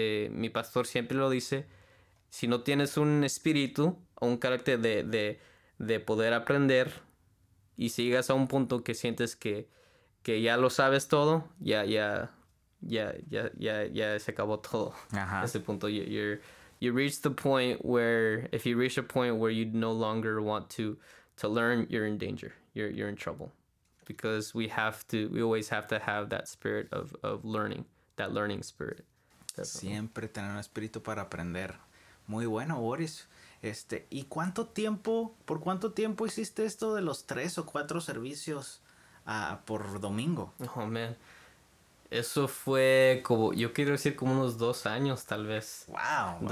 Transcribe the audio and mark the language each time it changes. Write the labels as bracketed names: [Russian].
[Spanish] Mi pastor siempre lo dice, si no tienes un espíritu o un carácter de poder aprender, y si llegas a un punto que sientes que ya lo sabes todo, ya se acabó todo. Ajá. Ese punto, [English] you reach the point where, if you reach a point where you no longer want to learn, you're in danger, you're in trouble, because we always have to have that spirit of learning, that learning spirit. Definitely. [Spanish] Siempre tener un espíritu para aprender. Muy bueno, Boris. ¿Y cuánto tiempo, por cuánto tiempo hiciste esto de los 3 o 4 servicios por domingo? [English] Oh, man. [Spanish] Eso fue como, yo quiero decir, como unos 2 años, tal vez. Dos